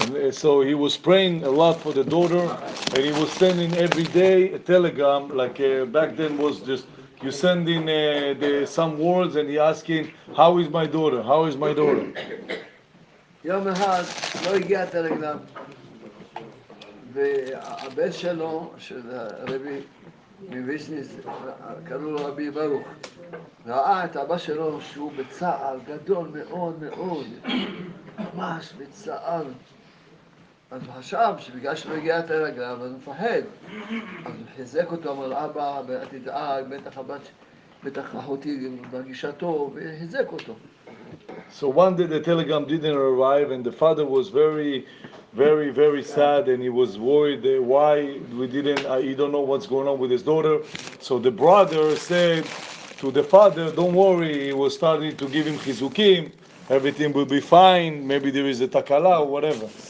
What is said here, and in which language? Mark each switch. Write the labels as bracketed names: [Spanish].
[English] So he was praying a lot for the daughter, and he was sending every day a telegram, like back then was just, you send in some words and he asking, how is my daughter, how is my daughter? [Hebrew] יום אחד לא הגיע טלגרם והבן שלו של רבי מויז'ניץ קראו לו רבי ברוך ראה את אבא שלו שהוא בצער גדול מאוד מאוד ממש בצער אז הוא חשב שבגלל שלא הגיע טלגרם אז הוא מפחד אז הוא חזק אותו אמר לאבא ואת תדאג בטח הבת בטח אחותי מרגישה טוב והחזק אותו. [English] So one day the telegram didn't arrive and the father was very, very, very sad and he was worried why we didn't, he don't know what's going on with his daughter. So the brother said to the father, don't worry, he was starting to give him chizukim, everything will be fine, maybe there is a takala or whatever.